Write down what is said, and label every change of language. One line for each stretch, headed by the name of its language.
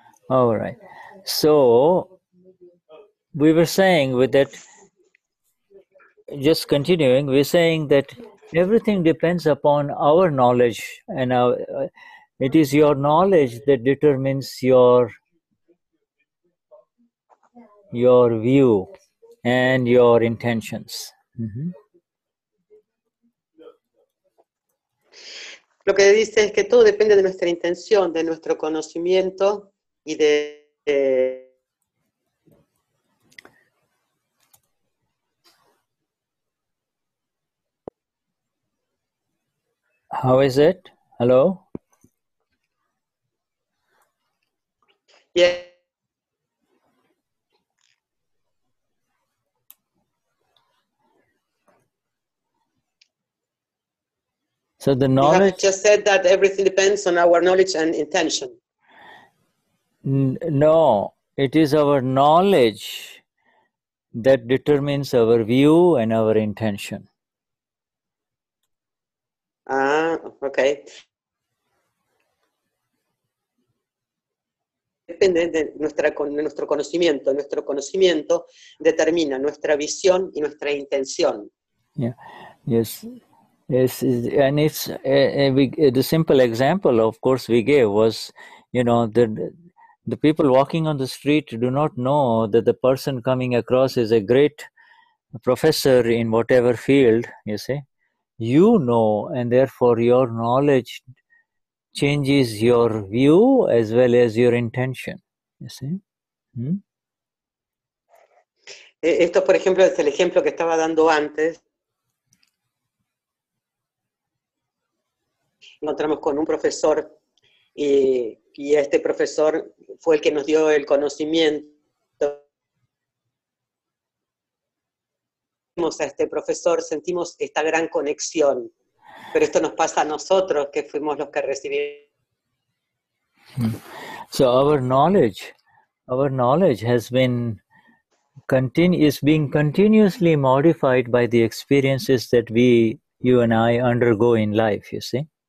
English: All right, so we were saying with that, just continuing, we're saying that everything depends upon our knowledge, and our, it is your knowledge that determines your view and your intentions. Mm-hmm.
Spanish: Lo que dice es que todo depende de nuestra intención, de nuestro conocimiento y de
English: How is it? Hello? So the knowledge. You have just said that everything depends on our knowledge and intention. No, it is our knowledge that determines our view and our intention. Ah, okay.
Spanish: Depende de nuestro conocimiento. Nuestro conocimiento determina nuestra visión y nuestra intención.
English: Yeah. Yes. Yes, and it's the simple example, of course, we gave was, you know, the people walking on the street do not know that the person coming across is a great professor in whatever field, you see. You know, and therefore your knowledge changes your view as well as your intention, you see. Hmm?
Spanish: Esto, por ejemplo, es el ejemplo que estaba dando antes. Encontramos con un profesor y este profesor fue el que nos dio el conocimiento. Vimos a este profesor, sentimos esta gran conexión. Pero esto nos pasa a nosotros, que fuimos los que recibimos.
English: So our knowledge has been is being continuously modified by the experiences that we, you and I, undergo in life, you see.